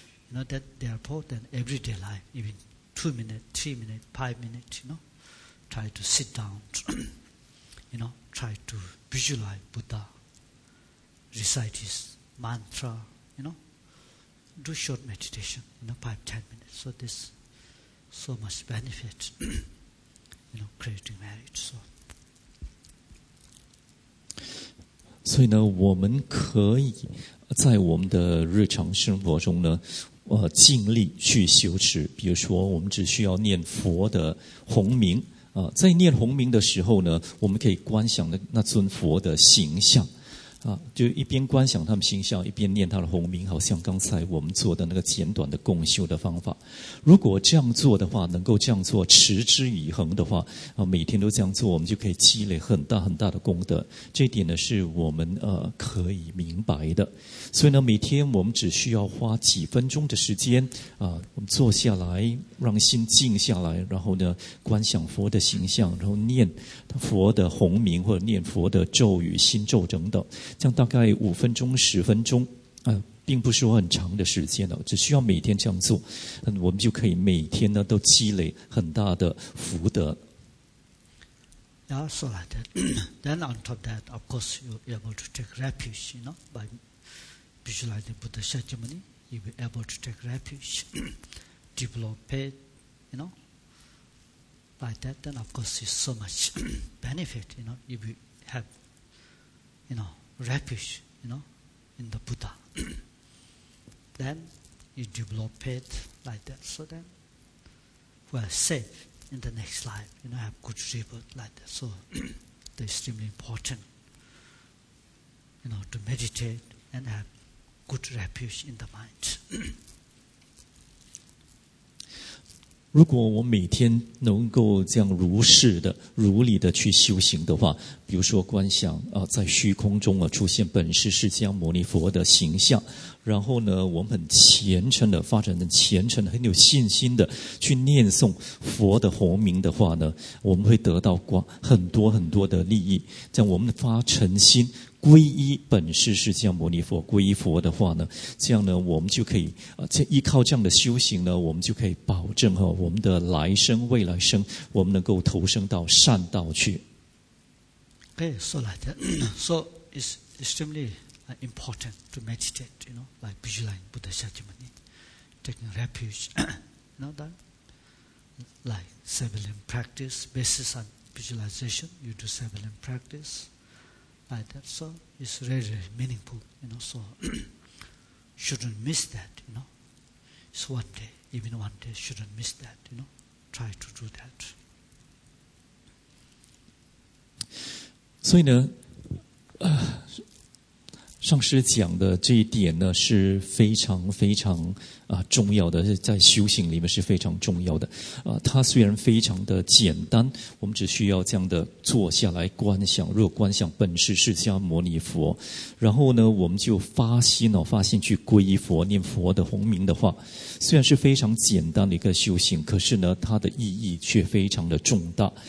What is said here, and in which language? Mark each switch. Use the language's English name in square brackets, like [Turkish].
[English] You know, that therefore, then everyday life, even 2 minutes, 3 minutes, 5 minutes, you know, try to sit down, you know, try to visualize Buddha, recite his mantra, you know, do short meditation, you know, 5-10 minutes. So this so much benefit, you know, creating merit. So, [Chinese] 所以呢，我们可以在我们的日常生活中呢，尽力去修持。比如说，我们只需要念佛的洪名啊、在念洪名的时候呢，我们可以观想那尊佛的形象。啊，就一边观想他们形象，一边念他的洪名，好像刚才我们做的那个简短的共修的方法。如果这样做的话，能够这样做持之以恒的话，啊，每天都这样做，我们就可以积累很大很大的功德。这点呢，是我们可以明白的。所以呢，每天我们只需要花几分钟的时间，啊，我们坐下来，让心静下来，然后呢，观想佛的形象，然后念佛的洪名或者念佛的咒语、心咒等等。这样大概5分钟、10分钟，并不是很长的时间了，只需要每天这样做，我们就可以每天呢都积累很大的福德。 [English] Yeah, so like that. Then on top of that, of course, you're able to take refuge, you know, by visualizing Buddha Shakyamuni, you'll be able to take refuge, develop it, you know. By that, then of course, it's so much benefit, you know, you will have, you know. Refuge, you know, in the Buddha. Then you develop it like that. So then we are safe in the next life, you know, have good rebirth like that. So it's extremely important, you know, to meditate and have good refuge in the mind. [Chinese] 如果我每天能够这样如是的、如理的去修行的话，比如说观想啊，在虚空中啊出现本师释迦牟尼佛的形象，然后呢，我们很虔诚的、发展很虔诚的、很有信心的去念诵佛的洪名的话呢，我们会得到很多很多的利益。这样，我们发诚心。皈依本师释迦牟尼佛，皈依佛的话呢，这样呢，我们就可以依靠这样的修行呢，我们就可以保证哈，我们的来生、未来生，我们能够投生到善道去。 [English] Okay, so like that, so it's extremely important to meditate, you know, by visualizing Buddha Shakyamuni, taking refuge, you know that, like seven practice basis on visualization, you do seven practice. Like that, so it's really, really meaningful, you know. So shouldn't miss that, you know. It's one day, even one day, shouldn't miss that, you know. Try to do that. [Chinese] 所以呢，上师讲的这一点呢是非常非常重要的，在修行里面是非常重要的。它虽然非常的简单，我们只需要这样的坐下来观想，如果观想本师释迦牟尼佛，然后呢，我们就发心哦，发心去皈依佛、念佛的洪名的话，虽然是非常简单的一个修行，可是呢，它的意义却非常的重大。